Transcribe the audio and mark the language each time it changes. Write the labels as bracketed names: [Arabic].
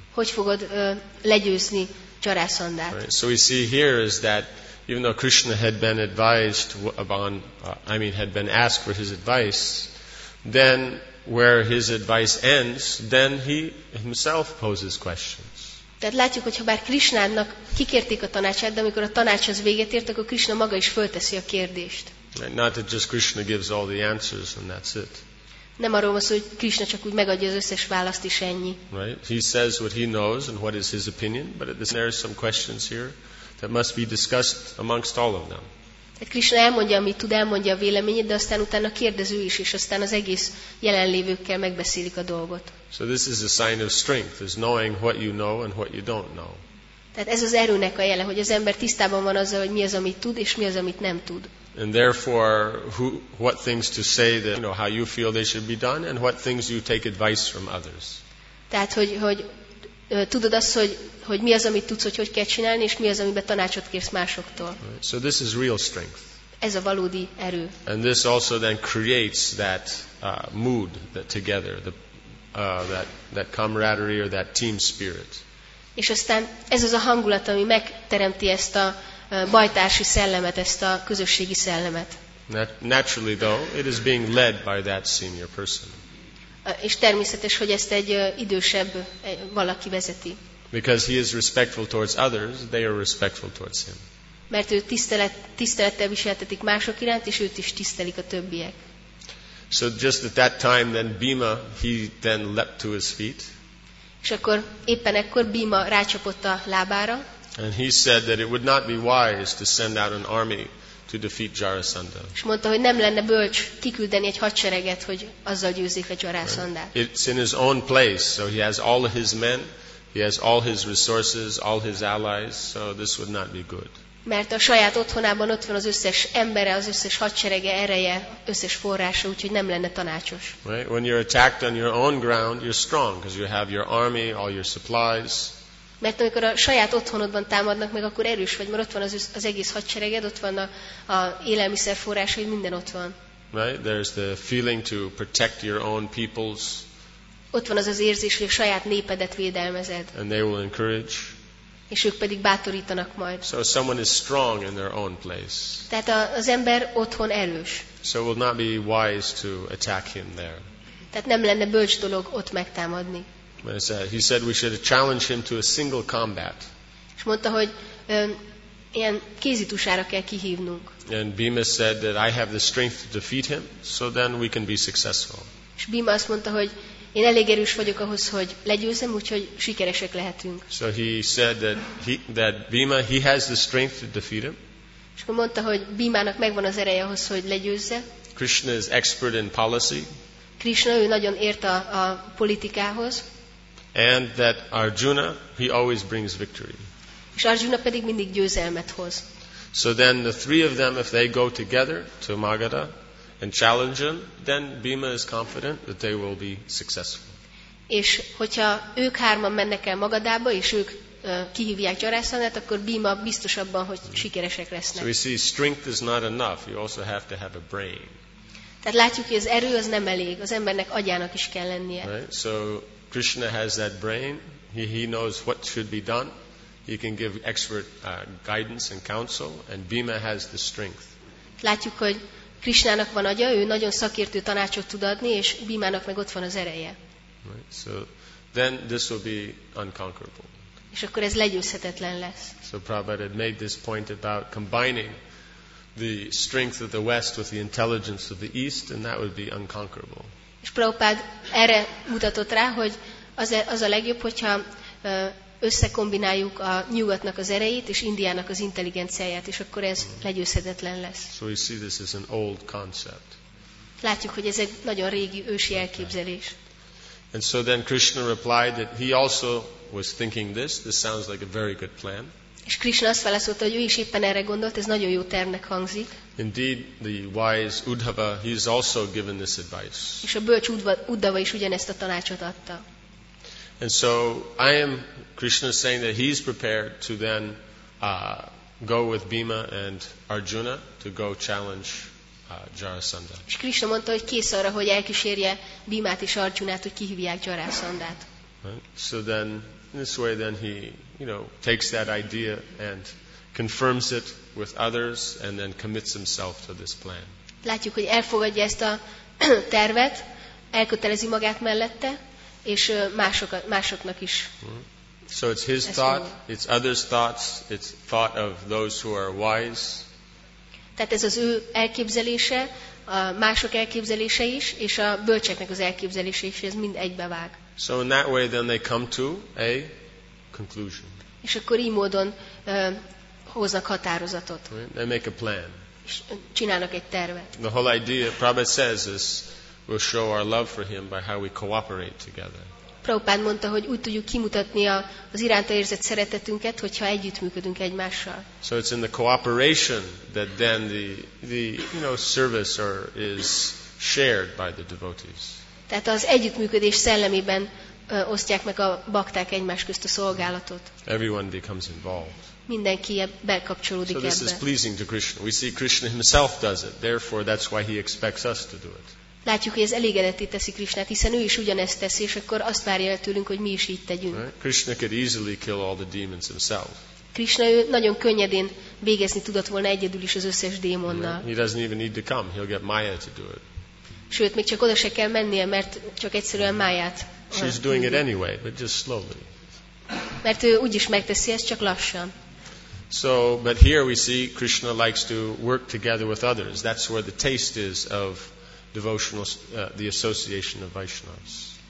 [Hungarian] Hogy fogod legyőzni Jarasandhát? [English] Right. So we see here is that even though Krishna had been advised upon, had been asked for his advice, then where his advice ends, then he himself poses questions. [Hungarian] Tehát látjuk, hogy ha bár Krisnának kikérték a tanácsát, de amikor a tanács az véget ért, akkor Krisna maga is fölteszi a kérdést. [English] Not that just Krishna gives all the answers and that's it. [Hungarian] Nem arról van szó, hogy Krishna csak úgy megadja az összes választ is ennyi. [English] Right? He says what he knows and what is his opinion, but there are some questions here that must be discussed amongst all of them. [Hungarian] Tehát Krishna elmondja, amit tud, elmondja a véleményét, de aztán utána kérdező is, és aztán az egész jelenlévőkkel megbeszélik a dolgot. [English] So this is a sign of strength, is knowing what you know and what you don't know. [Hungarian] Tehát ez az erőnek a jele, hogy az ember tisztában van azzal, hogy mi az, amit tud, és mi az, amit nem tud. [English] And therefore, what things to say that, you know, how you feel they should be done, and what things you take advice from others. [Hungarian] Tehát, tudod azt, hogy mi az, amit tudsz, hogy kell csinálni, és mi az, amiben tanácsot kérsz másoktól. [English] Right. So this is real strength. [Hungarian] Ez a valódi erő. [English] And this also then creates that mood, that together, that camaraderie or that team spirit. [Hungarian] És aztán ez az a hangulat, ami megteremti ezt a bajtársi szellemet, ezt a közösségi szellemet. [English] Naturally though, it is being led by that senior person. [Hungarian] És természetes, hogy ezt egy idősebb valaki vezeti. [English] Because he is respectful towards others, they are respectful towards him. [Hungarian] Mert ő tisztelettel viseltetik mások iránt, és őt is tisztelik a többiek. [English] So just at that time then Bhima, he then leapt to his feet. [Hungarian] És akkor éppen ekkor Bhima rácsapott a lábára. [English] And he said that it would not be wise to send out an army to defeat Jarasandha. [Hungarian] És mondta, hogy nem lenne bölcs kiküldeni egy hadsereget, hogy azzal győzzék le Jarasandhát. [English] Right. It's in his own place, so he has all his men, he has all his resources, all his allies, so this would not be good. [Hungarian] Mert a saját otthonában ott van az összes embere, az összes hadserege, ereje, összes forrása, úgyhogy nem lenne tanácsos. [English] Right. When you're attacked on your own ground, you're strong, because you have your army, all your supplies. [Hungarian] Mert amikor a saját otthonodban támadnak meg, akkor erős vagy, mert ott van az egész hadsereged, ott van a élelmiszer forrása, hogy minden ott van. [English] Right? There's the feeling to protect your own peoples. [Hungarian] Ott van az érzés, hogy a saját népedet védelmezed. [English] And they will encourage. [Hungarian] És ők pedig bátorítanak majd. [English] So someone is strong in their own place. [Hungarian] Tehát az ember otthon erős. [English] So it will not be wise to attack him there. [Hungarian] Tehát nem lenne bölcs dolog ott megtámadni. [English] He said we should challenge him to a single combat. [Hungarian] És mondta, hogy ilyen kézitusára kell kihívnunk. [English] And Bhima said that I have the strength to defeat him, so then we can be successful. [Hungarian] És Bhima azt mondta, hogy én elég erős vagyok ahhoz, hogy legyőzzem, úgyhogy sikeresek lehetünk. [English] So he said that Bhima, he has the strength to defeat him. [Hungarian] És akkor mondta, hogy Bhimának megvan az ereje ahhoz, hogy legyőzze. [English] Krishna is expert in policy. [Hungarian] Krishna, ő nagyon ért a politikához. [English] And that Arjuna, he always brings victory. [Hungarian] És Arjuna pedig mindig győzelmet hoz. [English] So then the three of them, if they go together to Magadha and challenge him, then Bhima is confident that they will be successful. [Hungarian] És hogyha ők hárman mennek el Magadhába, és ők kihívják Jarasandhát, akkor Bhima biztos abban, hogy sikeresek lesznek. [English] So we see strength is not enough. You also have to have a brain. [Hungarian] Tehát látjuk, hogy az erő az nem elég. Az embernek agyának is kell lennie. [English] Right? So Krishna has that brain. He knows what should be done. He can give expert guidance and counsel. And Bhima has the strength. [Hungarian] Látjuk, hogy Krishnának van agya, ő nagyon szakértő tanácsot tud adni, és Bhimának meg ott van az ereje. [English] Right. So then this will be unconquerable. [Hungarian] És akkor ez legyőzhetetlen lesz. [English] So Prabhupada had made this point about combining the strength of the West with the intelligence of the East, and that would be unconquerable. [Hungarian] És Prabhupád erre mutatott rá, hogy az a legjobb, hogyha összekombináljuk a nyugatnak az erejét és Indiának az intelligenciáját, és akkor ez legyőzhetetlen lesz. [English] So we see this as an old concept. [Hungarian] Látjuk, hogy ez egy nagyon régi, ősi elképzelés. [English] Okay. And so then Krishna replied that he also was thinking this sounds like a very good plan. [Hungarian] És Krishna azt válaszolta, hogy ő is éppen erre gondolt, ez nagyon jó tervnek hangzik. [English] Indeed, the wise Uddhava, he is also given this advice. [Hungarian] És a bölcs Uddhava is ugyanezt a tanácsot adta. [English] And so I am Krishna saying that he is prepared to then go with Bhima and Arjuna to go challenge Jarasandha. [Hungarian] És Krishna mondta, hogy kész arra, hogy elkísérje Bhimát és Arjunát, hogy kihívják Jarasandhát. [English] Right. So then in this way then he, you know, takes that idea and confirms it with others and then commits himself to this plan. [Hungarian] Látjuk, hogy elfogadja ezt a tervet, elkötelezi magát mellette, és másoknak is. [English] So it's his thought, it's others' thoughts, it's thought of those who are wise. [Hungarian] Tehát ez az ő elképzelése, a mások elképzelése is, és a bölcseknek az elképzelése is, ez mind egybevág. [English] So in that way then they come to a conclusion. [Hungarian] És akkor így módon hoznak határozatot. [English] Right? They make a plan. [Hungarian] És csinálnak egy tervet. [English] The whole idea, Prabhupada says, is we'll show our love for him by how we cooperate together. [Hungarian] Prabhupád mondta, hogy úgy tudjuk kimutatni az iránta érzett szeretetünket, hogyha együttműködünk egymással. [English] So it's in the cooperation that then the you know service or is shared by the devotees. [Hungarian] Tehát az együttműködés szellemében osztják meg a bakták egymás közt a szolgálatot. [English] Everyone becomes involved. [Hungarian] Mindenki bekapcsolódik ebbe. [English] So this is pleasing to Krishna. We see Krishna himself does it. Therefore that's why he expects us to do it. [Hungarian] Látjuk, hogy ez elégedetté teszi Krishnát, hiszen ő is ugyanezt teszi, és akkor azt várja el tőlünk, hogy mi is így tegyünk. [English] Right? Krishna could easily kill all the demons himself. [Hungarian] Krishna ő nagyon könnyedén végezni tudott volna egyedül is az összes démonnal. [English] Right? He doesn't even need to come. He'll get Maya to do it. [Hungarian] Sőt, még csak oda se kell mennie, mert csak egyszerűen Mayát. [English] She's doing it anyway, but just slowly. [Hungarian] Mert ő úgyis megteszi ezt, csak lassan. [English] So, but here we see Krishna likes to work together with others. That's where the taste is of devotional, the association of Vaishnavas.